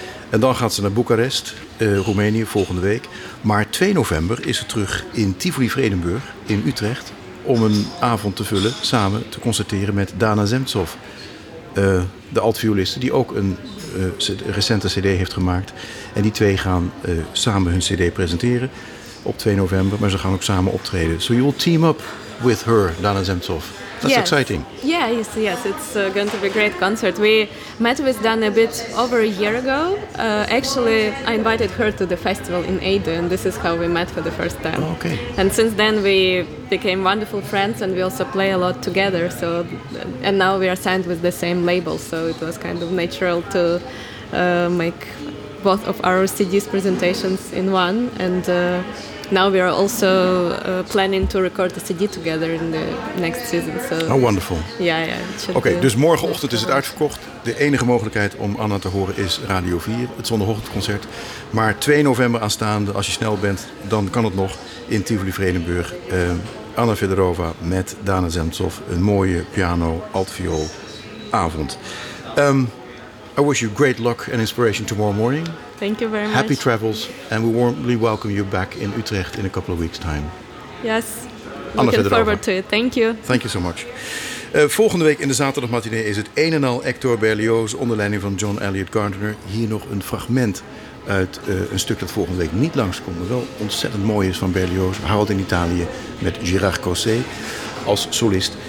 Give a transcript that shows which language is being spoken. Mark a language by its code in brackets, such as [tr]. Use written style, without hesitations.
[nl] En dan gaat ze naar Boekarest, Roemenië, volgende week. Maar 2 november is ze terug in Tivoli-Vredenburg in Utrecht om een avond te vullen, samen te concerteren met Dana Zemtsov. De altvioliste die ook een recente cd heeft gemaakt. En die twee gaan samen hun cd presenteren op 2 november. Maar ze gaan ook samen optreden. [en] So you will team up with her, Dana Zemtsov. That's yes. Exciting. Yeah, yes, it's going to be a great concert. We met with Dana a bit over a year ago. Actually, I invited her to the festival in Aden, and this is how we met for the first time. Oh, okay. And since then we became wonderful friends, and we also play a lot together. So, and now we are signed with the same label, so it was kind of natural to make both of our CDs presentations in one. And now we are also planning to record the CD together in the next season. So. How wonderful. Yeah. [nl] Okay, dus morgenochtend is het uitverkocht. De enige mogelijkheid om Anna te horen is Radio 4, het zondagochtendconcert. Maar 2 november aanstaande, als je snel bent, dan kan het nog in Tivoli-Vredenburg. Anna Fedorova met Dana Zemtsov. Een mooie piano-altviool avond. [en] I wish you great luck and inspiration tomorrow morning. Thank you very much. Happy travels, and we warmly welcome you back in Utrecht in a couple of weeks' time. Yes, looking forward to it. Thank you. Thank you so much. [nl] Volgende week in de zaterdagmatinée is het een en al Hector Berlioz onder leiding van John Elliott Gardiner. Hier nog een fragment uit een stuk dat volgende week niet langskomt, maar wel ontzettend mooi is van Berlioz. Houdt in Italië met Gérard Cosset als solist.